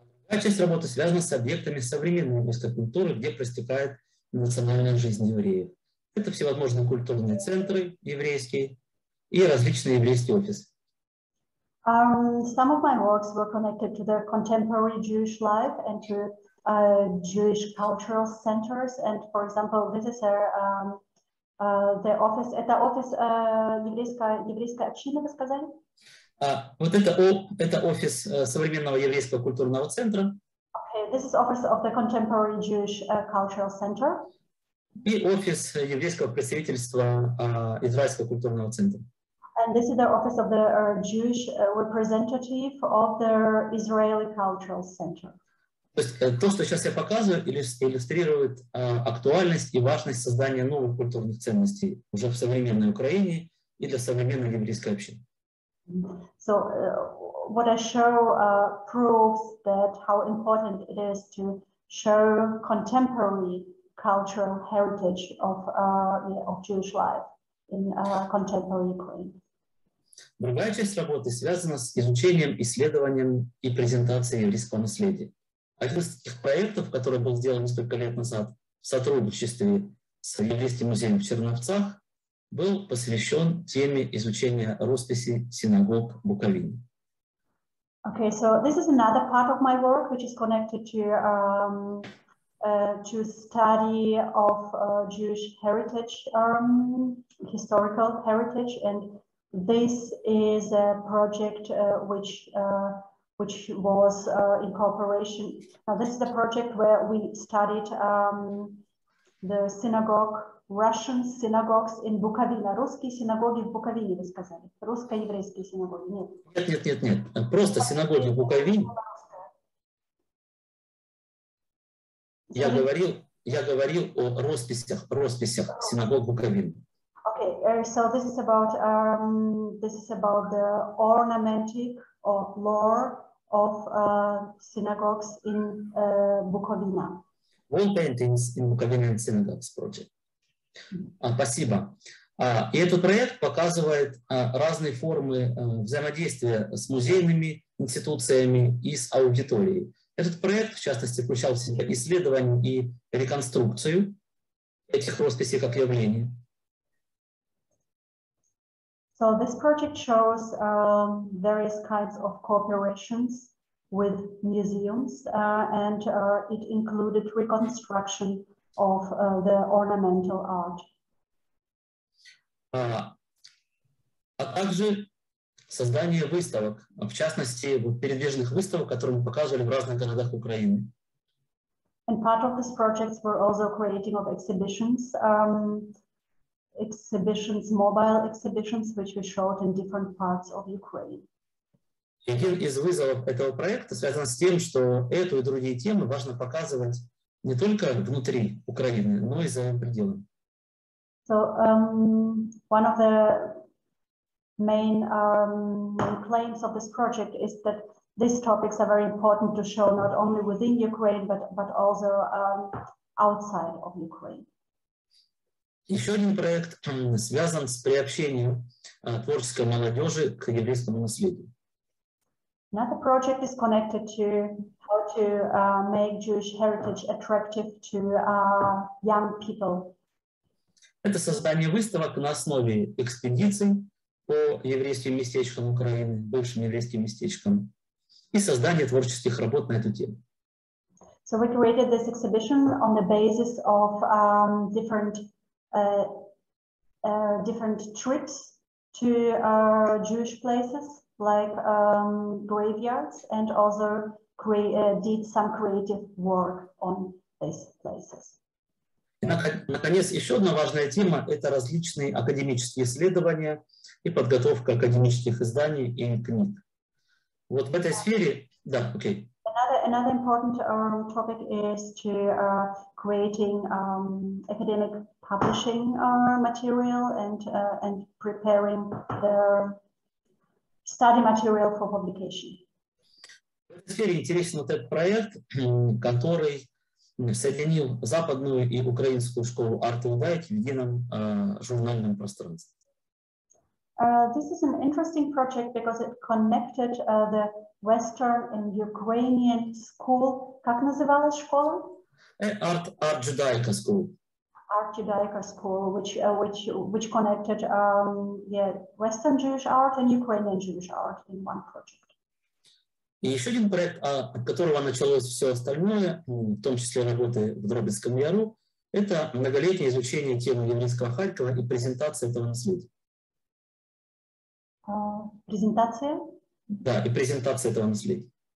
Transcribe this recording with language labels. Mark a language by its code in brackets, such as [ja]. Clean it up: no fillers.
[ru] Часть работы связана с объектами современной русской культуры, где проистекает национальная жизнь евреев. Это всевозможные культурные центры еврейские и различные еврейские офисы. [en] Some of my works were connected to the contemporary Jewish life and to Jewish cultural centers. And, for example, this is the office. [ru] Это офис еврейской общины, вы сказали? Вот это офис современного еврейского культурного центра. [en] Okay, this is office of the contemporary Jewish cultural center. [ru] И офис еврейского представительства израильского культурного центра. [en] And this is the office of the Jewish representative of the Israeli cultural center. [ru] То есть то, что сейчас я показываю, иллюстрирует актуальность и важность создания новых культурных ценностей уже в современной Украине и для современной еврейской общины. [en] So what I show proves that how important it is to show contemporary cultural heritage of Jewish life in contemporary Ukraine. [ru] Другая часть работы связана с изучением, исследованием и презентацией еврейского наследия. Один из таких проектов, который был сделан несколько лет назад в сотрудничестве с Еврейским музеем в Черновцах, был посвящен теме изучения росписи синагог Буковины. [en] Okay, so this is another part of my work, which is connected to study of Jewish heritage, historical heritage, and this is a project which was in cooperation. Now, this is the project where we studied the synagogue. Russian synagogues in Bukovina. [ru] Русские синагоги в Буковине, вы сказали. Русско-еврейские синагоги. Нет. Нет. Просто синагоги в Буковине. Я говорил о росписях синагог Буковины. [en] Okay, so this is about the ornamentic or lore of synagogues in Bukovina. Wall paintings in Bukovinian synagogues project. [ru] Спасибо. И этот проект показывает разные формы взаимодействия с музейными институциями и с аудиторией. Этот проект, в частности, включал в себя исследование и реконструкцию этих росписей как явления. [en] So this project shows various kinds of cooperations with museums, and it included reconstruction of the ornamental art. [ru] А также создание выставок, в частности, передвижных выставок, которые мы показывали в разных городах Украины. [en] And part of this project were also creating of exhibitions, mobile exhibitions, which we showed in different parts of Ukraine. [ru] Один из вызовов этого проекта связан с тем, что эту и другие темы важно показывать не только внутри Украины, но и за пределами. [en] So one of the main claims of this project is that these topics are very important to show not only within Ukraine, but also outside of Ukraine. [ru] Еще один проект связан с приобщением творческой молодежи к еврейскому наследию. [en] Another project is connected to how to make Jewish heritage attractive to young people. [ru] Это создание выставок на основе экспедиций по еврейским местечкам Украины, бывшим еврейским местечкам, и создание творческих работ на эту тему. [en] So we created this exhibition on the basis of different trips to Jewish places like graveyards, and also did some creative work on these places. [ru] И, наконец, еще одна важная тема – это различные академические исследования и подготовка академических изданий и книг. Вот в этой сфере… Да, окей. [en] Another important topic is to creating academic publishing material and preparing the study material for publication. [ru] В этой сфере интересен вот этот проект, который соединил западную и украинскую школу Art and Light в едином журнальном пространстве. [en] This is an interesting project because it connected the Western and Ukrainian school. [ru] Как называлась школа? [en] Art Judaica school. Art Judaica school, which connected Western Jewish art and Ukrainian Jewish art in one project. [ru] И еще один проект, от которого началось все остальное, в том числе работы в Дробинском Яру, это многолетнее изучение темы еврейского Харькова и презентация этого наследия. Презентация? Да, и презентация этого наследия.